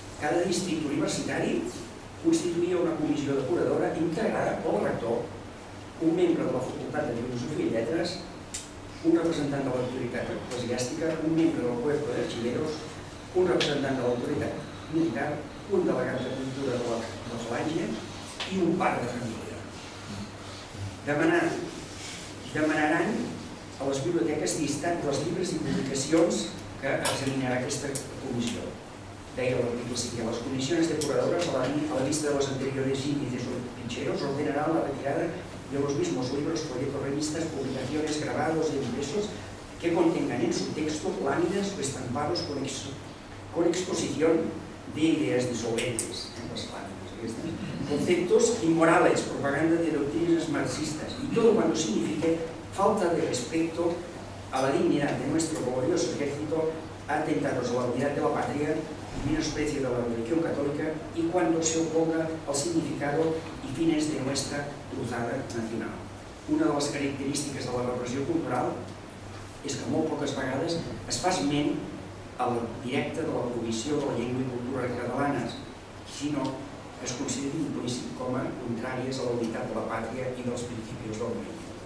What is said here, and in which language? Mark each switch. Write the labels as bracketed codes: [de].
[ca] Cada districte universitari constituïa una comissió decoradora integrada pel rector, un membre de la Facultat de Filosofia i Lletres, un representant de l'autoritat eclesiàstica, un membre del [es] cuerpo de arxiveros, [ca] un representant de l'autoritat militar, un delegat de cultura de la falange i un pare de família. Demanaran a les biblioteques llistat dels llibres i publicacions que examinarà aquesta comissió. Deia l'article 5, [es] les comissions depuradores a la vista de les anteriores i de sus pincheros ordenaran la retirada de los mismos libros, folletos, revistas, publicaciones, grabados y impresos que contengan en su texto láminas o estampados con exposición de ideas disolventes, en las láminas, ¿sí? Conceptos inmorales, propaganda de doctrinas marxistas y todo cuando signifique falta de respeto a la dignidad de nuestro glorioso ejército, atentados a la unidad de la patria, menosprecio de la religión católica y cuando se oponga al significado y fines de nuestra cruzada nacional. [ca] una de les característiques de la repressió cultural és que molt poques vegades es fa esment al directe de la prohibició de la llengua i cultura catalanes, sinó que es consideri implícit com a contràries a la unitat de la pàtria i dels principis del moment.